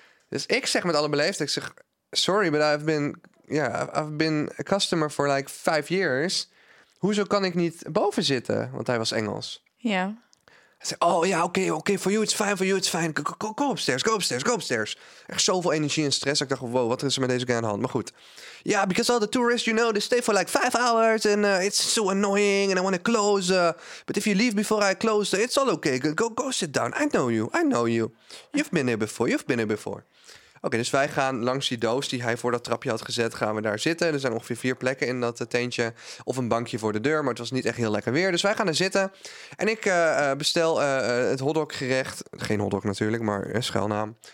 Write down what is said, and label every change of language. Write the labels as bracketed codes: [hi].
[nl] Dus ik zeg met alle beleefdheid, ik zeg, [en] sorry, but I've been a customer for like 5 years. [nl] Hoezo kan ik niet boven zitten? Want hij was Engels. Ja. Hij zegt, oh ja, oké, [en] for you it's fine. Go upstairs. [nl] Echt zoveel energie en stress. Ik dacht, wow, wat is er met deze guy aan de hand? Maar goed. [en] Ja, yeah, because all the tourists, you know, they stay for like 5 hours. And it's so annoying. And I want to close. But if you leave before I close, it's all okay. Go sit down. I know you. You've been here before. [nl] Oké, dus wij gaan langs die doos die hij voor dat trapje had gezet, gaan we daar zitten. Er zijn ongeveer 4 plekken in dat tentje. Of een bankje voor de deur, maar het was niet echt heel lekker weer. Dus wij gaan er zitten. En ik bestel het hotdoggerecht. Geen hotdog natuurlijk, maar een schuilnaam.